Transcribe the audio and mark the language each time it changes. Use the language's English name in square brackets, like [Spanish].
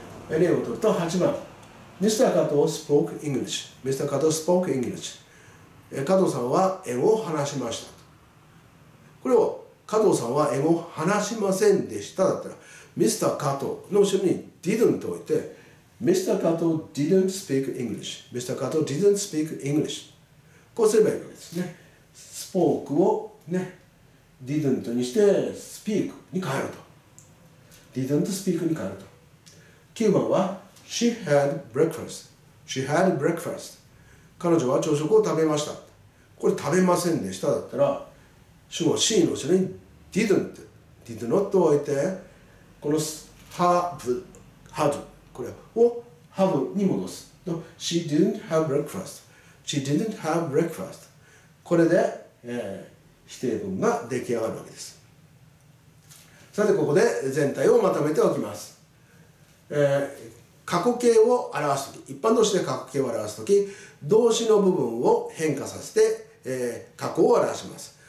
[Japanese] 例を取ると8番。 [English] Mr. Kato spoke English. Mr. Kato spoke English. [Japanese] 加藤さんは英語を話しました。これを加藤さんは英語を話しませんでしただったら Mr. Kato の後ろに didn't と置いて Mr. [English] Kato didn't speak English. Mr. Kato didn't speak English. [Japanese] こうすればいいわけですね。spoke を、ね、didn't にして speak に変えると。didn't speak に変わると。 9番は [English] She had breakfast. She had breakfast. [Japanese] 彼女は朝食を食べました。これ食べませんでしただったら主語 C の後ろに didn't、 did not を置いてこの have、 had、 これを have に戻す。 [English] She didn't have breakfast. She didn't have breakfast. [Japanese] これで、否定文が出来上がるわけです。さてここで全体をまとめておきます。過去形を表すとき、一般動詞で過去形を表すとき、動詞の部分を変化させて、過去を表します。